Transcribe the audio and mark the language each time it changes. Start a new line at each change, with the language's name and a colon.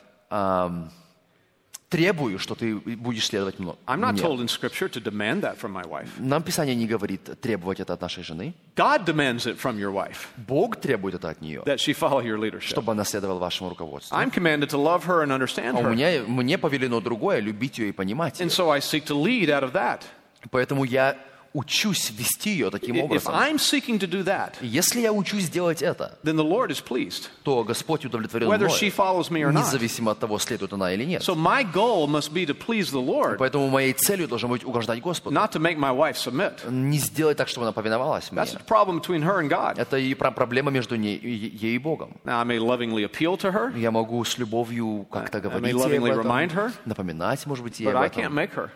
Russian: Я требую, что ты будешь следовать мне.
English: I'm not told in scripture to demand that from my wife.
Russian: Нам Писание не говорит требовать это от нашей жены.
English: God demands it from your wife.
Russian: Бог требует это от нее.
English: That she follow your leadership.
Russian: Чтобы она следовала вашему руководству.
English: I'm commanded to love her and understand her.
Russian: Мне повелено другое, любить ее и понимать ее.
English: And so I seek to lead out of that.
Russian: Поэтому я учусь вести ее таким образом.
English: If I'm seeking to do that,
Russian: если я учусь делать это,
English: then the Lord is pleased,
Russian: то Господь удовлетворен
English: whether
Russian: мной,
English: she follows me or not.
Russian: Независимо от того, следует она или нет.
English: So my goal must be to please the Lord,
Russian: поэтому моей целью должно быть угождать Господу.
English: Not to make my wife submit.
Russian: Не сделать так, чтобы она повиновалась мне.
English: That's the problem between her and God.
Russian: Это и проблема между ей и Богом.
English: Now, I may lovingly appeal to her,
Russian: я могу с любовью как-то говорить
English: I may lovingly
Russian: ей об этом,
English: remind her,
Russian: напоминать, может быть, ей
English: but
Russian: об этом.
English: I can't make her.